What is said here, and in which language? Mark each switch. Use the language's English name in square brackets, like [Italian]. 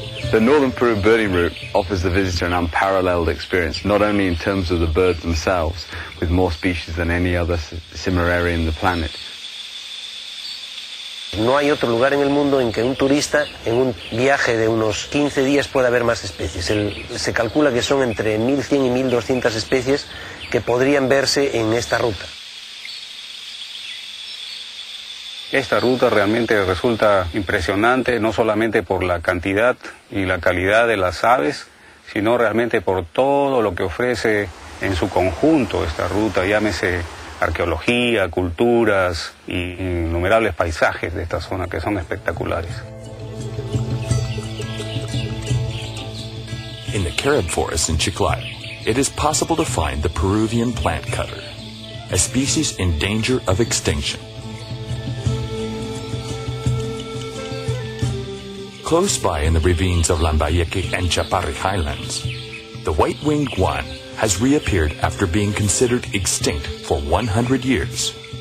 [English] The Northern Peru birding route offers the visitor an unparalleled experience, not only in terms of the birds themselves, with more species than any other similar area in the planet. [Spanish] No hay otro lugar en el mundo en que un turista en un viaje de unos 15 días pueda ver más especies. Se calcula que son entre 1100 y 1200 especies que podrían verse en esta ruta. Esta ruta realmente resulta impresionante, no solamente por la cantidad y la calidad de las aves, sino realmente por todo lo que ofrece en su conjunto esta ruta, llámese arqueología, culturas y innumerables paisajes de esta zona que son espectaculares. [English] In the Carib forest in Chiclayo, it is possible to find the Peruvian plant cutter, a species in danger of extinction. Close by in the ravines of Lambayeque and Chaparri Highlands, the white-winged guan has reappeared after being considered extinct for 100 years.